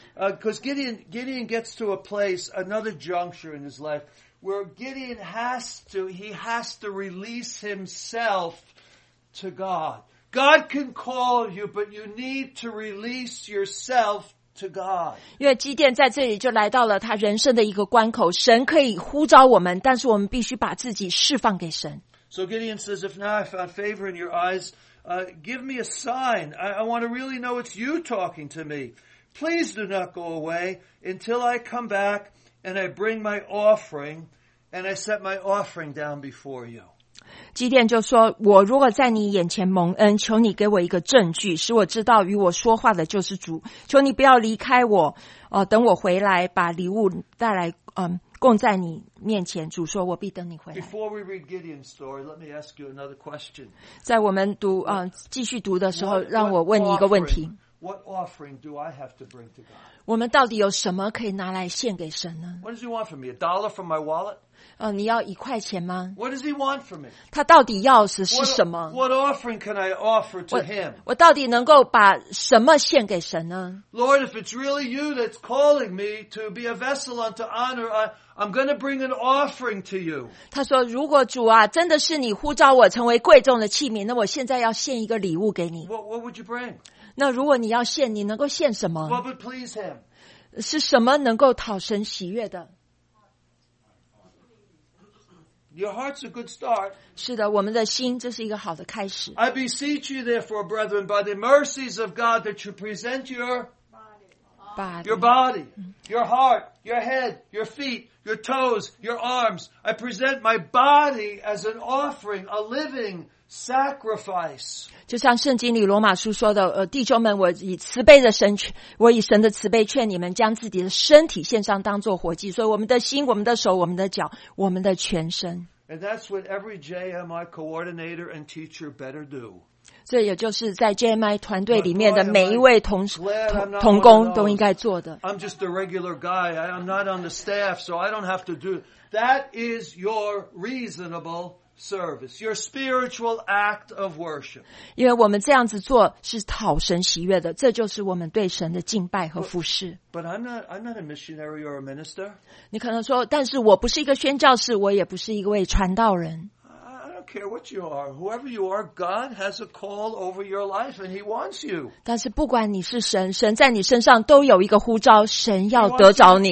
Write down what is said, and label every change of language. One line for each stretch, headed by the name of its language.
English: Because Gideon gets to a place, another juncture in his life, where Gideon has to release himself to God. God can call you, but you need to release yourself to God.
Chinese: 因为基甸在这里就来到了他人生的一个关口，神可以呼召我们，但是我们必须把自己释放给神。
English: So Gideon says, if now I found favor in your eyes, give me a sign. I want to really know it's you talking to me. Please do not go away until I come back and I bring my offering and I set my offering down before you.
Chinese: 基甸就说，我如果在你眼前蒙恩，求你给我一个证据，使我知道与我说话的就是主。求你不要离开我，等我回来把礼物带来，供在你面前，主说我必等你回来。
English: Before we read Gideon's story, let me ask you another question.
Chinese: 在我们读继续读的时候，让我问你一个问题。
English: What offering do I have to bring to God?
Chinese: 我们到底有什么可以拿来献给神呢？
English: What does he want from me? A dollar from my wallet?
Chinese: 你要一块钱吗？
English: What does he want from me?
Chinese: 他到底要的是什么？
English: What offering can I offer to him?
Chinese: 我到底能够把什么献给神呢？
English: Lord, if it's really you that's calling me to be a vessel unto honor, I'm going to bring an offering to you.
Chinese: 他说，如果主啊，真的是你呼召我成为贵重的器皿，那我现在要献一个礼物给你。
English: What would you bring?
Chinese: 那如果你要献，你能够献什么？
English: What would please him?
Chinese: 是什么能够讨神喜悦的？
English: Your heart's a good start.
Chinese: 是的，我们的心，这是一个好的开始。
English: I beseech you therefore, brethren, by the mercies of God, that you present your body, your heart, your head, your feet, your toes, your arms. I present my body as an offering, a living sacrifice.
Chinese: 就像圣经里罗马书说的，弟兄们，我以神的慈悲劝你们，将自己的身体献上，当作活祭。所以，我们的心，我们的手，我们的脚，我们的全身。
English: And that's what every JMI coordinator and teacher better do.
Chinese: 这也就是在 JMI 团队里面的每一位同工都应该做的。
English: I'm just a regular guy. I'm not on the staff, so I don't have to do. That is your reasonable service, your spiritual act of worship.
Chinese: 因为我们这样子做是讨神喜悦的，这就是我们对神的敬拜和服事。
English: But I'm not a missionary or a minister.
Chinese: 你可能说，但是我不是一个宣教士，我也不是一位传道人。
English: I don't care what you are. Whoever you are, God has a call over your life and he wants you.
Chinese: 但是不管你是神，神在你身上都有一个呼召，神要得着你。